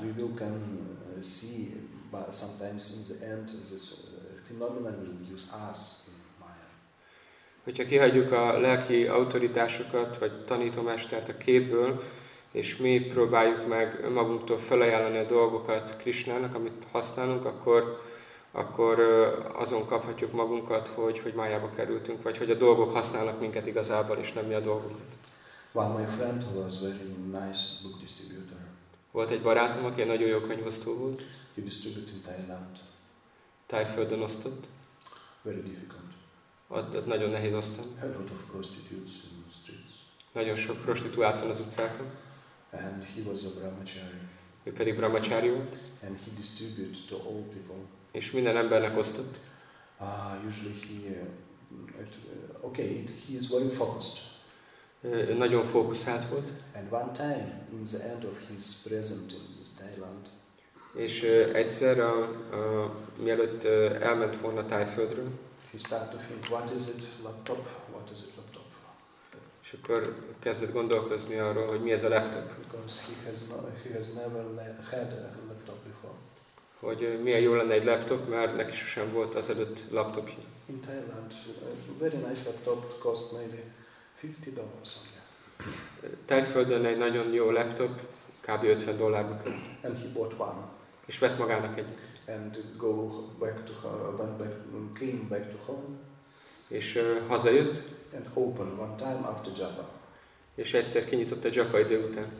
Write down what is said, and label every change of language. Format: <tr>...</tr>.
<en>We will can see, but sometimes in the end, this phenomenon will use us.</en> <hu>Hogyha kihagyjuk a lelki autoritásokat vagy tanítómestert a képből, és mi próbáljuk meg magunktól felajánlani a dolgokat Krishnának, amit használunk, akkor azon kaphatjuk magunkat, hogy májába kerültünk, vagy hogy a dolgok használnak minket igazából, és nem mi a dolgokat.</hu> <en>Well, my friend was very nice book distributor.</en> <hu>Volt egy barátom, aki egy nagyon jó könyvosztó volt.</hu> <en>He distributed in Thailand.</en> <hu>Thaiföldön osztott.</hu> <en>Very difficult.</en> <hu>Ott nagyon nehéz osztani.</hu> <en>A lot of prostitutes in the streets.</en> <hu>Nagyon sok prostituált van az utcákon.</hu> <en>And he was a brahmachari.</en> <hu>Ő pedig brahmachari volt.</hu> <en>And he distributed to all people.</en> <hu>És minden embernek osztott.</hu> <en>Usually he is very focused.</en> <hu>Nagyon fókuszált volt.</hu> <en>And one time in the end of his present in this Thailand.</en> <hu>És egyszer mielőtt elment volna Thaiföldről.</hu> <en>He started to think, what is it laptop? What is it laptop?</en> <hu>És akkor kezdett gondolkozni arról, hogy mi ez a laptop.</hu> <en>Because he has never had a laptop before.</en> <hu>Hogy milyen jó lenne egy laptop, mert neki sosem volt azelőtt laptopja.</hu> <en>In Thailand, a very nice laptop cost maybe $50.</en> <hu>Thaiföldön egy nagyon jó laptop, kb. $50 kell.</hu> <en>And he bought one.</en> <hu>És vett magának egyik.</hu> <en>And go back to came back to home.</en> <hu>És hazajött.</hu> <en>And open one time after Japa.</en> <hu>És egyszer kinyitott a Japa idő után.</hu>